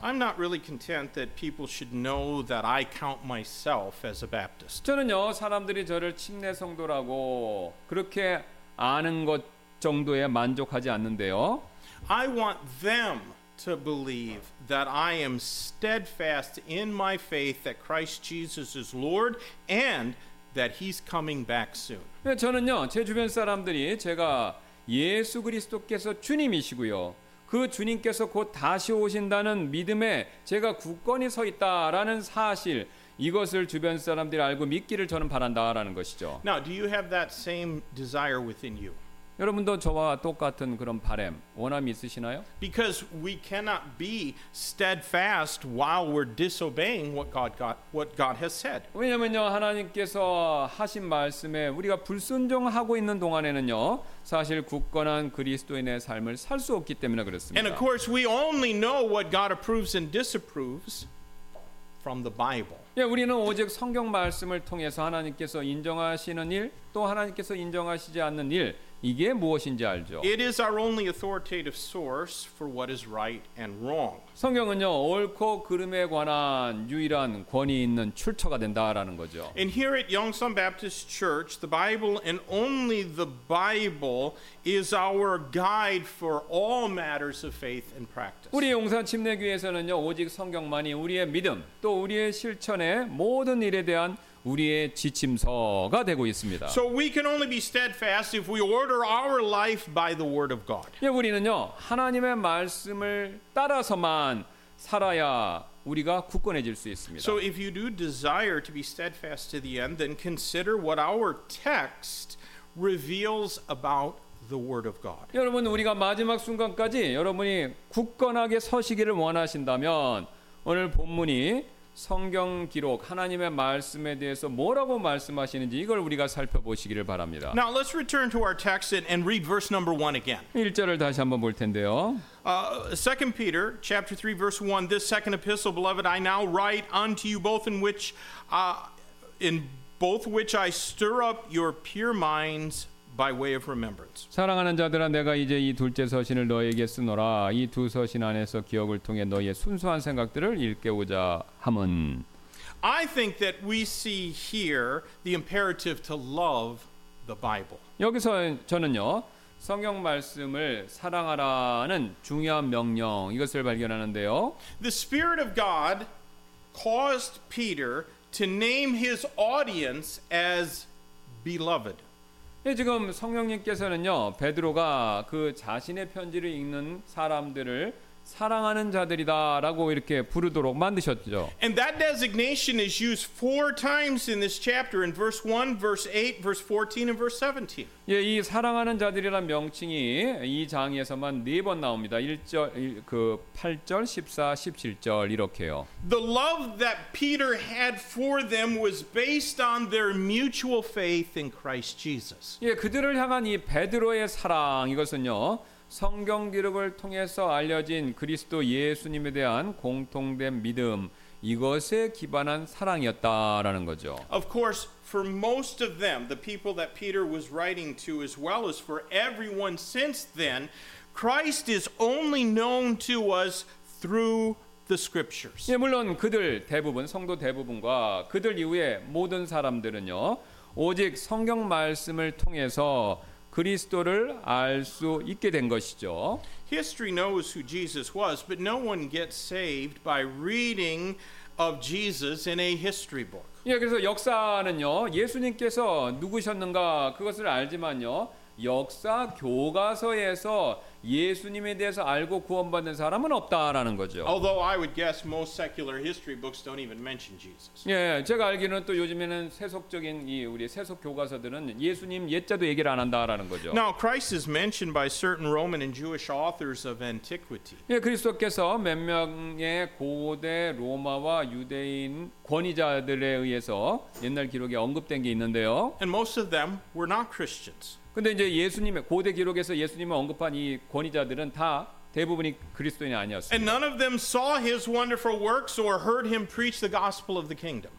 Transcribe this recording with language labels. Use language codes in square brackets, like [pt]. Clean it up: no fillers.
[en] I'm not really content that people should know that I count myself as a Baptist. [ko] 저는요 사람들이 저를 침례 성도라고 그렇게 아는 것 정도에 만족하지 않는데요. [en] I want them to believe that I am steadfast in my faith that Christ Jesus is Lord and that he's coming back soon. [ko] 네, 저는요. 제 주변 사람들이 제가 예수 그리스도께서 주님이시고요. 그 주님께서 곧 다시 오신다는 믿음에 제가 굳건히 서 있다라는 사실 이것을 주변 사람들이 알고 믿기를 저는 바란다라는 것이죠. [en] Now, do you have that same desire within you? [ko] 여러분도 저와 똑같은 그런 바람, 원함이 있으시나요? [en] Because we cannot be steadfast while we're disobeying what God has said. [ko] 왜냐면요, 하나님께서 하신 말씀에 우리가 불순종하고 있는 동안에는요, 사실 굳건한 그리스도인의 삶을 살 수 없기 때문에 그렇습니다. [en] And of course, we only know what God approves and disapproves from the Bible. [ko] 예, 우리는 오직 성경 말씀을 통해서 하나님께서 인정하시는 일, 또 하나님께서 인정하시지 않는 일 이게 무엇인지 알죠. [en] It is our only authoritative source for what is right and wrong. [ko] 성경은요, 옳고 그름에 관한 유일한 권위 있는 출처가 된다라는 거죠. [en] And here at Yongsan Baptist Church, the Bible and only the Bible is our guide for all matters of faith and practice. [ko] 우리 용산 침례교회에서는요, 오직 성경만이 우리의 믿음, 또 우리의 실천의 모든 일에 대한 우리의 지침서가 되고 있습니다. [en] So we can only be steadfast if we order our life by the word of God. [ko] 예, 우리는요 하나님의 말씀을 따라서만 살아야 우리가 굳건해질 수 있습니다. [en] So if you do desire to be steadfast to the end, then consider what our text reveals about the word of God. [ko] 여러분 우리가 마지막 순간까지 여러분이 굳건하게 서시기를 원하신다면 오늘 본문이 성경 기록 하나님의 말씀에 대해서 뭐라고 말씀하시는지 이걸 우리가 살펴보시기를 바랍니다. [en] Now let's return to our text and read verse number 1 again. [ko] 1절을 다시 한번 볼 텐데요. [en] 2 Peter chapter 3 verse 1 This second epistle beloved I now write unto you both in both which I stir up your pure minds by way of remembrance. [ko] 사랑하는 자들아 내가 이제 이 둘째 서신을 너희에게 쓰노라 이 두 서신 안에서 기억을 통해 너희의 순수한 생각들을 일깨우자 함은 [en] I think that we see here the imperative to love the Bible. [ko] 여기서 저는요 성경 말씀을 사랑하라는 중요한 명령 이것을 발견하는데요. [en] The Spirit of God caused Peter to name his audience as beloved. [ko] 예, 지금 성령님께서는요 베드로가 그 자신의 편지를 읽는 사람들을 사랑하는 자들이다라고 이렇게 부르도록 만드셨죠. [en] And that designation is used four times in this chapter in verse 1, verse 8, verse 14 and verse 17. [ko] 예, 이 사랑하는 자들이라는 명칭이 이 장에서만 네 번 나옵니다. 1절 그 8절, 14, 17절 이렇게요. [en] The love that Peter had for them was based on their mutual faith in Christ Jesus. [ko] 예, 그들을 향한 이 베드로의 사랑 이것은요. 성경 기록을 통해서 알려진 그리스도 예수님에 대한 공통된 믿음 이것에 기반한 사랑이었다라는 거죠. [en] Of course, for most of them, the people that Peter was writing to, as well as for everyone since then, Christ is only known to us through the Scriptures. [ko] 예, 물론 그들 대부분 성도 대부분과 그들 이후에 모든 사람들은요 오직 성경 말씀을 통해서 그리스도를 알 수 있게 된 것이죠. [en] History knows who Jesus was, but no one gets saved by reading of Jesus in a history book. [ko] 예, 그래서 역사는요, 예수님께서 누구셨는가 그것을 알지만요, 역사 교과서에서 예수님에 대해서 알고 구원받는 사람은 없다라는 거죠. [en] Although I would guess most secular history books don't even mention Jesus. [ko] 예, 제가 알기로는 또 요즘에는 세속적인 이 우리 세속 교과서들은 예수님 옛자도 얘기를 안 한다라는 거죠. [en] Now Christ is mentioned by certain Roman and Jewish authors of antiquity. [ko] 예, 그리스도께서 몇 명의 고대 로마와 유대인 권위자들에 의해서 옛날 기록에 언급된 게 있는데요. [en] And most of them were not Christians. [ko] 근데 이제 예수님의 고대 기록에서 예수님을 언급한 이 권위자들은 다 대부분이 그리스도인이 아니었어요. [en] And none of them saw his wonderful works or heard him preach the gospel of the kingdom.